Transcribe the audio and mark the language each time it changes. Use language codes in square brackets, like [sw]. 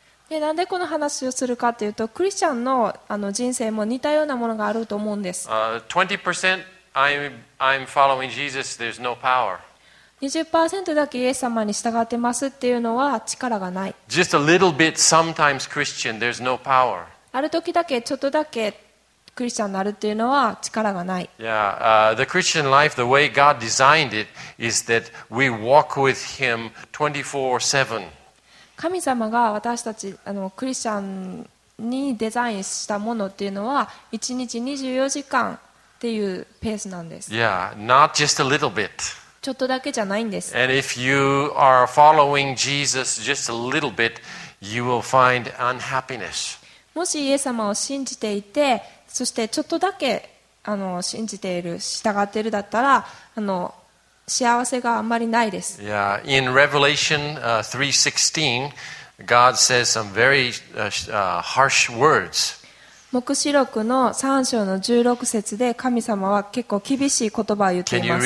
[ja] でなんでこの話をするかというと、クリスチャン の, 人生も似たようなものがあると思うんです。 [en] 20% I'm following Jesus, there's no power. [ja] 20% だけイエス様に従ってますっていうのは力がない。 [en] Just a little bit sometimes Christian, there's no power. [ja] ある時だけちょっとだけクリスチャンになるっていうのは力がない。 [en] Yeah, the Christian life, the way God designed it, is that we walk with Him 24/7. [ja] 神様が私たちクリスチャンにデザインしたものっていうのは1日24時間っていうペースなんです。 [en] Yeah, not just a little bit. [ja] ちょっとだけじゃないんです。 [en] And if you are following Jesus just a little bit, you will find unhappiness. [ja] もしイエス様を信じていて、そしてちょっとだけ信じている、従っているだったら、幸せがあんまりないです。 [en] Yeah. In Revelation 3:16, God says some very harsh words. [ja] 黙示録の3章の16節で神様は結構厳しい言葉を言っています。